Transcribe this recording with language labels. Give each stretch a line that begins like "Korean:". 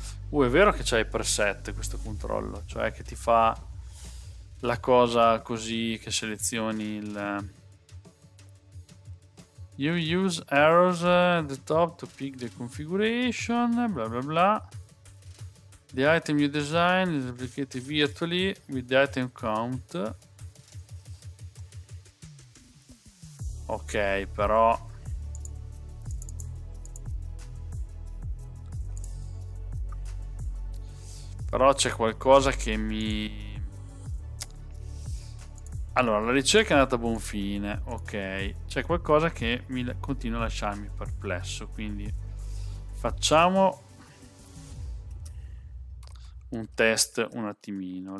Italian: È vero che c'hai preset questo controllo, cioè che ti fa la cosa così, che selezioni il
English: you use arrows at the top to pick the configuration
Italian: bla bla bla.
English: The item you design is replicated virtually with the item count.
Italian: Ok, però c'è qualcosa che mi... Allora, la ricerca è andata a buon fine, ok. C'è qualcosa che mi continua a lasciarmi perplesso, quindi facciamo un test un attimino.